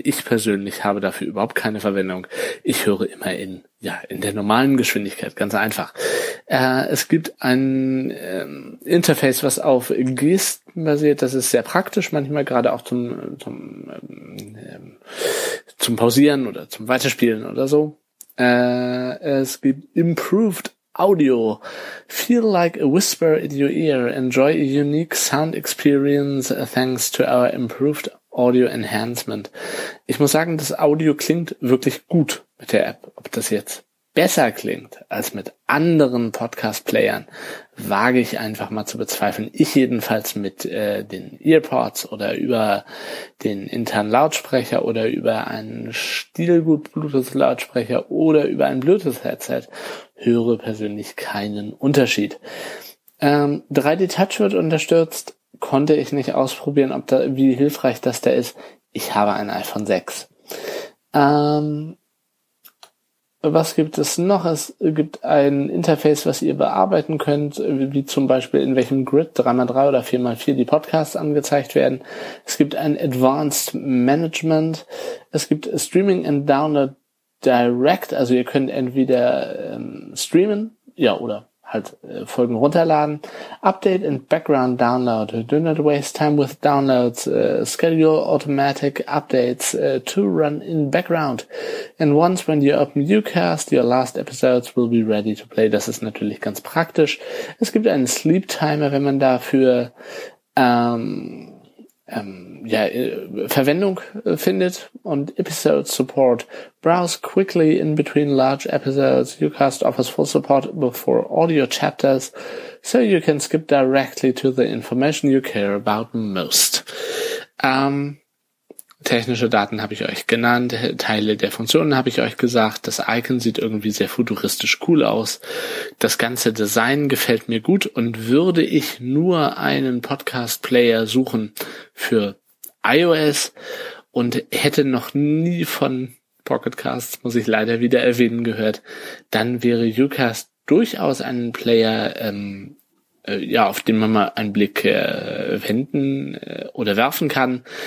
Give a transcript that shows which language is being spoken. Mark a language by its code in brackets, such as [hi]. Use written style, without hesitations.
[de] Ich persönlich habe dafür überhaupt keine Verwendung. Ich höre immer in der normalen Geschwindigkeit, ganz einfach. Es gibt ein Interface, was auf Gesten basiert. Das ist sehr praktisch, manchmal gerade auch zum Pausieren oder zum Weiterspielen oder so. Es gibt Improved Audio. [en] Feel like a whisper in your ear. Enjoy a unique sound experience thanks to our improved audio enhancement. [de] Ich muss sagen, das Audio klingt wirklich gut mit der App. Ob das jetzt besser klingt als mit anderen Podcast-Playern, wage ich einfach mal zu bezweifeln. Ich jedenfalls mit den Earpods oder über den internen Lautsprecher oder über einen Stilgut Bluetooth-Lautsprecher oder über ein Bluetooth-Headset höre persönlich keinen Unterschied. 3D-Touch wird unterstützt, konnte ich nicht ausprobieren, wie hilfreich das da ist. Ich habe ein iPhone 6. Was gibt es noch? Es gibt ein Interface, was ihr bearbeiten könnt, wie zum Beispiel in welchem Grid 3x3 oder 4x4 die Podcasts angezeigt werden. Es gibt ein Advanced Management. Es gibt [en] Streaming and Download Direct. [de] Also ihr könnt entweder streamen, ja, oder halt Folgen runterladen. [en] Update and Background Download. Do not waste time with downloads. Schedule automatic updates to run in background. And once when you open Ucast, your last episodes will be ready to play. [de] Das ist natürlich ganz praktisch. Es gibt einen Sleep Timer, wenn man dafür Verwendung findet, und Episode Support. [en] Browse quickly in between large episodes. Ucast offers full support before audio chapters, so you can skip directly to the information you care about most. [de] Technische Daten habe ich euch genannt, Teile der Funktionen habe ich euch gesagt, das Icon sieht irgendwie sehr futuristisch cool aus, das ganze Design gefällt mir gut, und würde ich nur einen Podcast-Player suchen für iOS und hätte noch nie von Pocketcasts, muss ich leider wieder erwähnen, gehört, dann wäre Ucast durchaus ein Player, auf den man mal einen Blick wenden oder werfen kann.